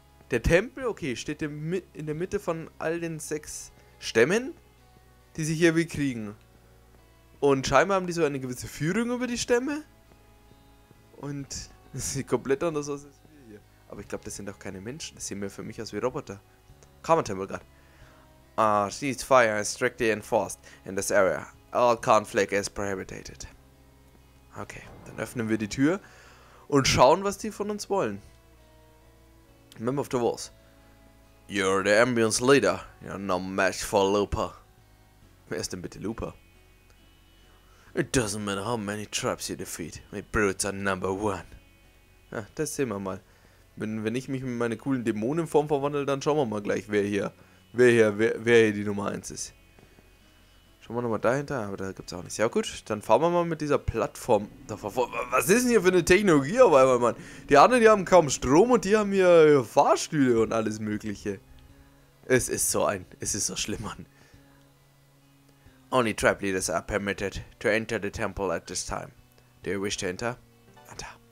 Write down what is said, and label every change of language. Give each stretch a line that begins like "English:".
German: Der Tempel, okay, steht in der Mitte von all den 6 Stämmen, die sie hier bekriegen. Und scheinbar haben die so eine gewisse Führung über die Stämme. Und das sieht komplett anders aus als wir hier. Aber ich glaube, das sind auch keine Menschen. Das sehen mehr für mich aus wie Roboter.
English: Karma Temple Guard. Ah, ceasefire is strictly enforced in this area. All conflict is prohibited.
German: Okay, dann öffnen wir die Tür und schauen, was die von uns wollen.
English: Member of the Walls. You're the Ambience Leader. You're no match for Looper.
German: Wer ist denn bitte Looper?
English: It doesn't matter how many tribes you defeat. My brutes are number one.
German: Ja, das sehen wir mal. Wenn ich mich mit meiner coolen Dämonenform verwandle, dann schauen wir mal gleich, wer hier die Nummer 1 ist. Schauen wir nochmal dahinter, aber da gibt's auch nichts. Ja gut, dann fahren wir mal mit dieser Plattform davor. Was ist denn hier für eine Technologie auf einmal, Mann? Die anderen, die haben kaum Strom und die haben hier Fahrstühle und alles mögliche. Es ist so schlimm, Mann.
English: Only tribe leaders are permitted to enter the temple at this time. Do you wish to enter? Enter.